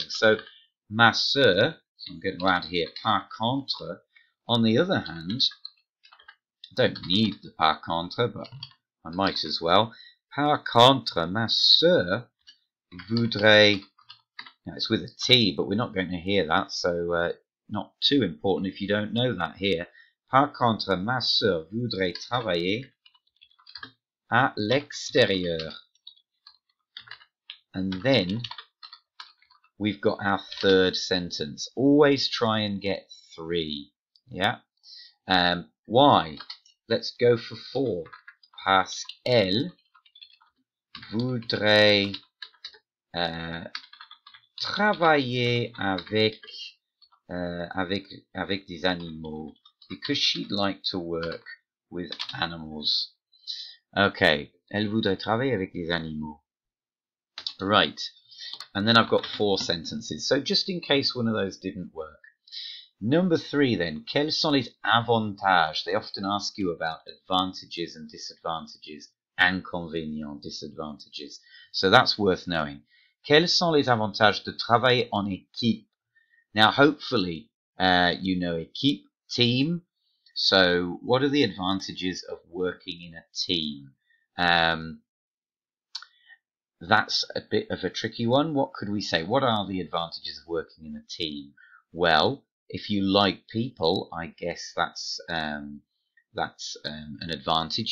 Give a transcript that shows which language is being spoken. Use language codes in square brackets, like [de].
[en] So, [fr] ma soeur, [en] so I'm going to add here, [fr] par contre, [en] on the other hand, I don't need the par contre, but I might as well. [fr] Par contre, ma soeur voudrait, [en] now it's with a T, but we're not going to hear that, so not too important if you don't know that here. [fr] Par contre, ma soeur voudrait travailler à l'extérieur. [en] And then we've got our third sentence. Always try and get three. Yeah. Why? Let's go for four. [fr] Parce qu'elle voudrait travailler avec des animaux, [en] because she'd like to work with animals. [fr] Okay, elle voudrait travailler avec des animaux. [en] Right, and then I've got four sentences, so just in case one of those didn't work. Number three then, [fr] quels sont les avantages? [en] They often ask you about advantages and disadvantages, and inconvénients, disadvantages. So that's worth knowing. [fr] Quels sont les avantages de travailler en équipe? [en] Now, hopefully, you know équipe, team. So, what are the advantages of working in a team? That's a bit of a tricky one. What could we say? What are the advantages of working in a team? Well, if you like people, I guess that's an advantage.